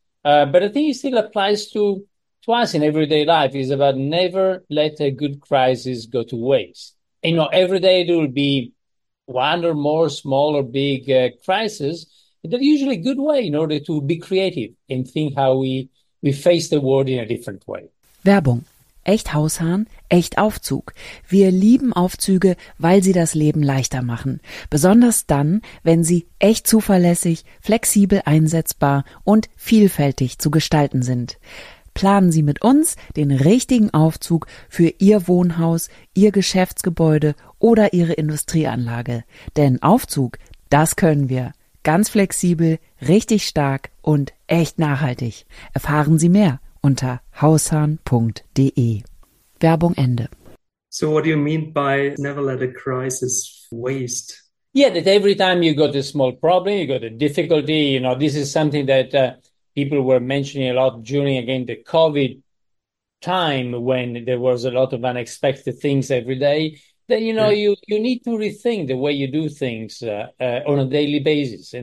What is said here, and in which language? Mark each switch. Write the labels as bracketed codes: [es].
[en] But I think it still applies to us in everyday life. It's about never let a good crisis go to waste. You know, every day there will be one or more small or big crises. They're usually a good way in order to be creative and think how we face the world in a different way. [de] Werbung. Echt Haushahn, echt Aufzug. Wir lieben Aufzüge, weil sie das Leben leichter machen. Besonders dann, wenn sie echt zuverlässig, flexibel einsetzbar und vielfältig zu gestalten sind. Planen Sie mit uns den richtigen Aufzug für Ihr Wohnhaus, Ihr Geschäftsgebäude oder Ihre Industrieanlage. Denn Aufzug, das können wir. Ganz flexibel, richtig stark und echt nachhaltig. Erfahren Sie mehr unter haushahn.de. Werbung Ende. [en] So what do you mean by never let a crisis waste? Yeah, that every time you got a small problem, you got a difficulty, you know, this is something that people were mentioning a lot during, again, the COVID time when there was a lot of unexpected things every day, then, you know, you need to rethink the way you do things on a daily basis.